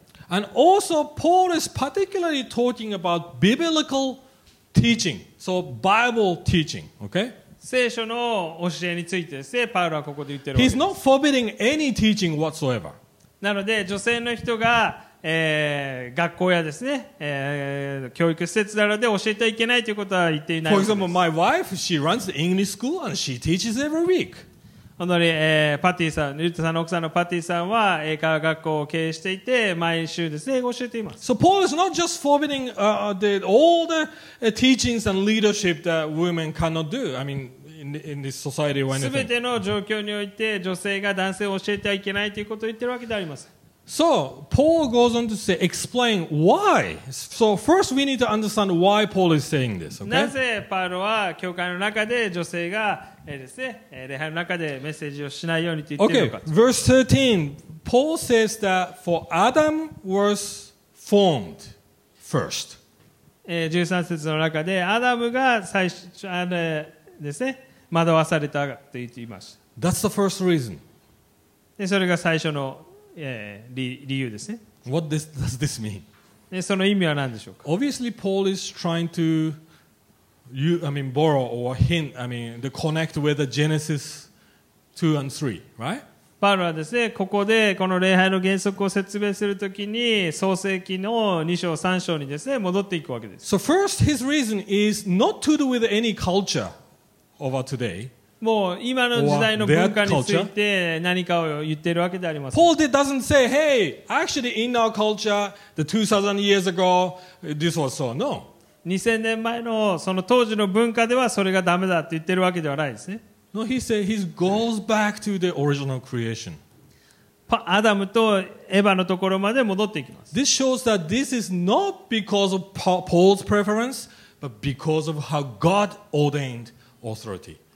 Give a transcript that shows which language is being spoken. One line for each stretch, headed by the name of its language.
English: And also, Paul is particularly talking about biblical teaching, so Bible teaching, okay?
Japanese: 聖書の教えについてですね、パウロはここで言ってる。
English: He's not forbidding any teaching whatsoever.
Japanese: なので、女性の人が、学校やですね、教育施設などで教えてはいけないということは言っていないです。
English: For example, my wife, she runs the English school and she teaches every week.
Japanese: 本当に、パティさん、ユタさんの奥さんのパティさんは英会話学校を経営していて毎週ですね英語を教えています。
English: So Paul is not just forbidding all the teachings and leadership that women cannot do. I mean, in this society or anything.
Japanese: 全ての状況において女性が男性を教えてはいけないということを言ってるわけではありません。
English: So Paul goes on to say, explain why. So first we need to understand why Paul is saying this. Okay?
Japanese: なぜパウロは教会の中で女性がですね、礼拝の中でメッセージをしないようにと言っているのか。
English: Okay. Verse 13, Paul says that for Adam was formed first.
Japanese: 13節の中でアダムが最初ですね、惑わされたと言っています。
English: That's the first reason.
Japanese: で、それが最初の理由ですね。
English: What does this mean?
Japanese: で、その意味は何でしょうか。
English: Obviously, Paul is trying to borrow or hint, the connect with the Genesis 2 and 3, right?
Japanese: パウロはですね、ここでこの礼拝の原則を説明するときに、創世記の2章、3章にですね、戻っていくわけです。
English: So first, his reason is not to do with any culture over today.
Japanese: もう今の時代の文化について何かを言っているわけではありません。
English: Paul doesn't say, hey, actually in our culture, the 2000 years ago, this was so. No.
Japanese: 2000年前のその当時の文化ではそれがダメだって言ってるわけではないですね。
English: No, he said he goes back to the original creation.
Japanese: アダムとエヴァのところまで戻っていきます。
English: This shows that this is not because of Paul's preference, but because of how God ordained authority.